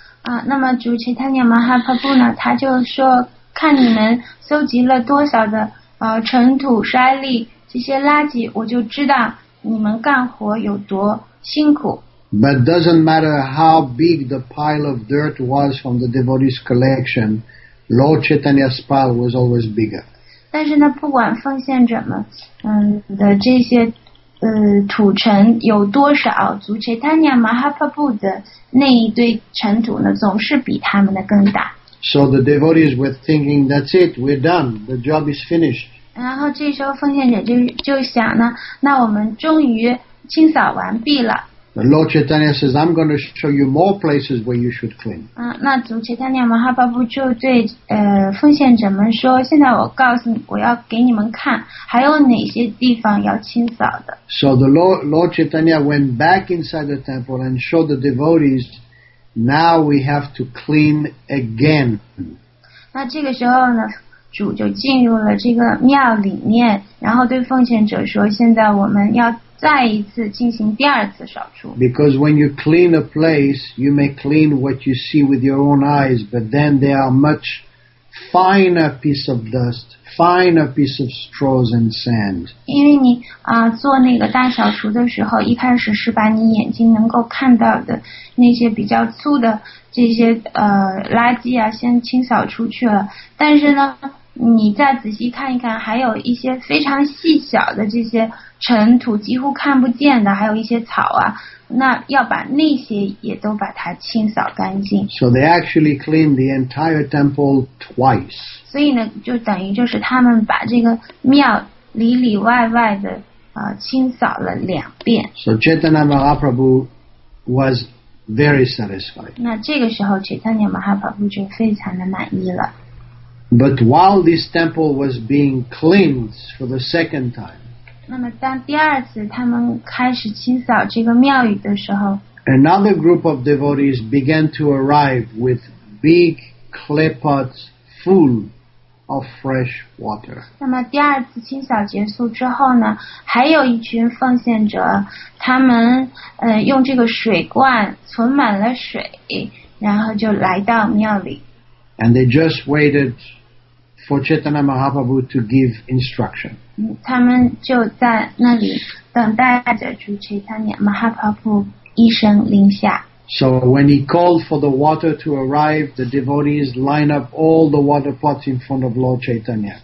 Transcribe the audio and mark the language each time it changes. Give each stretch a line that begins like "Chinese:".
Chinese: 那么主 Chaitanya Mahaprabhu 呢，他就说，看你们搜集了多少的尘土、沙粒这些垃圾，我就知道你们干活有多辛苦。
English: But doesn't matter how big the pile of dirt was from the devotees' collection, Lord Chaitanya's pile was always bigger.
Chinese: 但是呢，不管奉献者们，的这些，土尘有多少，足切塔尼亚马哈帕布的那一堆尘土呢，总是比他们的更大。
English: So the devotees were thinking, "That's it, we're done. The job is finished."
Chinese: 然后这时候奉献者就想呢，那我们终于清扫完毕了。
English: The Lord Chaitanya says, I'm going to show you more places where you should clean.
Chinese: 那主切塔尼亚马哈巴布就对奉献者们说，现在我告诉你，我要给你们看还有哪些地方要清扫的。
English: So the Lord Chaitanya went back inside the temple and showed the devotees, now we have to clean again.
Chinese: 那这个时候呢，主就进入了这个庙里面，然后对奉献者说，现在我们要再一次进行第二次扫除。
English: Because when you clean a place, you may clean what you see with your own eyes, but then there are much finer piece of dust, finer piece of straws and sand.
Chinese: 因为你做那个大扫除的时候，一开始是把你眼睛能够看到的那些比较粗的这些垃圾啊，先清扫出去了。但是呢，你再仔细看一看，还有一些非常细小的这些尘土几乎看不见的，还有一些草啊，那要把那些也都把它清扫干净。
English: So they actually cleaned the entire temple twice.
Chinese: 所以呢，就等于就是他们把这个庙里里外外的清扫了两遍。
English: So Chaitanya Mahaprabhu was very satisfied.
Chinese: 那这个时候 Chaitanya Mahaprabhu 就非常的满意了。
English: But while this temple was being cleansed for the second time,
Chinese: 那么当第二次他们开始清扫这个庙宇的时候，
English: another group of devotees began to arrive with big clay pots full of fresh water.
Chinese: 那么第二次清扫结束之后呢，还有一群奉献者，他们用这个水罐存满了水，然后就来到庙里。
English: And they just waited for Chaitanya Mahaprabhu to give instruction.
Chinese: 他们就在那里等待着主 Chaitanya Mahaprabhu 一声令下。
English: So when he called for the water to arrive, the devotees line up all the water pots in front of Lord Chaitanya.